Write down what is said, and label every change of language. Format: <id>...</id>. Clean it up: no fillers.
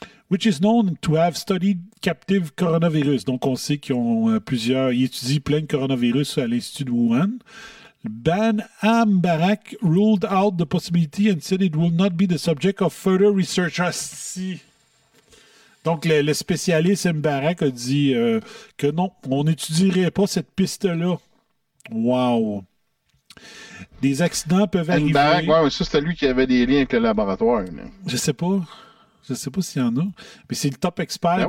<en>Which is known to have studied captive coronavirus.</en> <fr>Donc, on sait qu'ils ont plusieurs. Ils étudient plein de coronavirus à l'Institut de Wuhan.</fr> <en>Ben Ambarak ruled out the possibility and said it will not be the subject of further research.</en> <fr>Donc, le spécialiste Ambarak a dit que non, on n'étudierait pas cette piste-là. Wow! Des accidents peuvent arriver. Ambarak, ouais, mais ça, c'était lui qui avait des liens avec le laboratoire. Mais... Je sais pas s'il y en a. Mais c'est le top expert</fr>